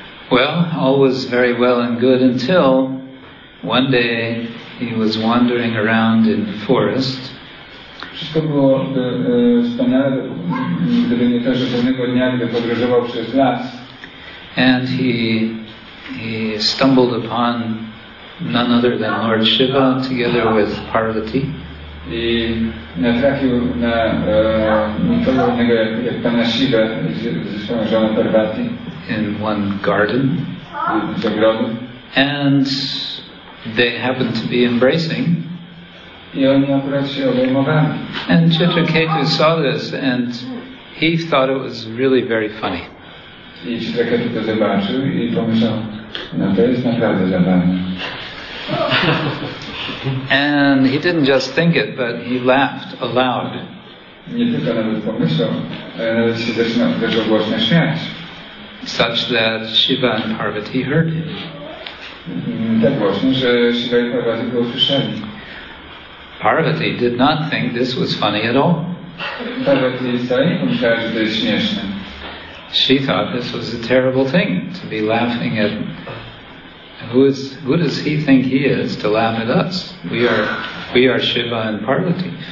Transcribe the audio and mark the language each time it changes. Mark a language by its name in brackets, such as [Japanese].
[English] Well, all was very well and good until one day he was wandering around in the forest. [Polish] Wszystko było wspaniale, gdyby nie to, że pewnego dnia, gdy podróżował przez las. [English] And he stumbled upon none other than Lord Shiva together with Parvati. [Polish] I natrafił na niepowolnego jak pana Shiva ze swoją żoną Parvati. [English] In one garden. [Polish] W ogrodzie. [English] And they happened to be embracing. [Polish] I oni akurat się obejmowali. [English] And Chitraketu saw this and he thought it was really very funny. [Polish] I Chitraketu to zobaczył i pomyślał, no to jest naprawdę zabawne. [English] And he didn't just think it, but he laughed aloud. [Polish] Nie tylko nawet pomyślał, ale się zaczynał też ogłośnie śmiać. [English] Such that Shiva and Parvati heard him. [Polish] Tak właśnie, że Shiva i Parvati go usłyszeli. [English] Parvati did not think this was funny at all. [Polish] Parvati wcale nie pomyślała, że to jest śmieszne. [English] She thought this was a terrible thing to be laughing at. Who does he think he is to laugh at us? We are Shiva and Parvati.